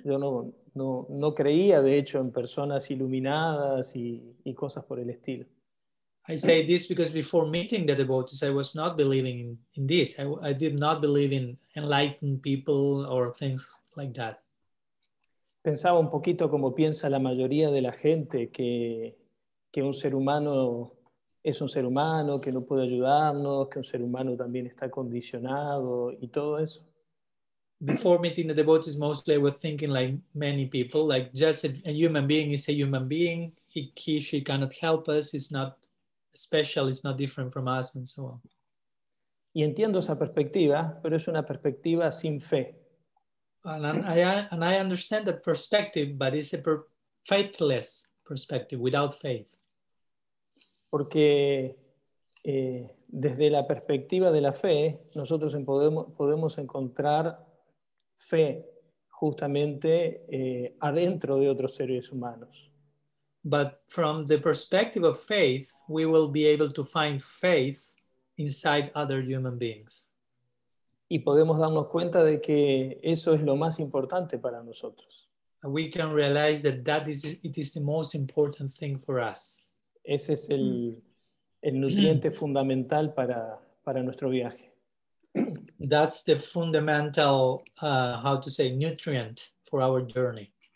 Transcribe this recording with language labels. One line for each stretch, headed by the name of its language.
Spanish: Yo no creía, de hecho, en personas iluminadas y cosas por el estilo.
English: I say this because before meeting the devotees, I was not believing in this. I did not believe in enlightened people or things like that.
Spanish: Pensaba un poquito como piensa la mayoría de la gente, que un ser humano es un ser humano, que no puede ayudarnos, que un ser humano también está condicionado y todo eso.
English: Before meeting the devotees, mostly I was thinking like many people, like just a human being is a human being. He/she cannot help us. It's not special. It's not different from us, and so on.
Spanish: Y entiendo esa perspectiva, pero es una perspectiva sin fe.
English: And I understand that perspective, but it's a faithless perspective, without faith.
Spanish: Porque desde la perspectiva de la fe, nosotros podemos encontrar fe justamente adentro de otros seres humanos.
English: But from the perspective of faith, we will be able to find faith inside other human beings.
Spanish: Y podemos darnos cuenta de que eso es lo más importante para nosotros.
English: And we can realize that it is the most important thing for us.
Spanish: Ese es el nutriente fundamental para nuestro viaje.
English: That's the fundamental, nutrient for our journey.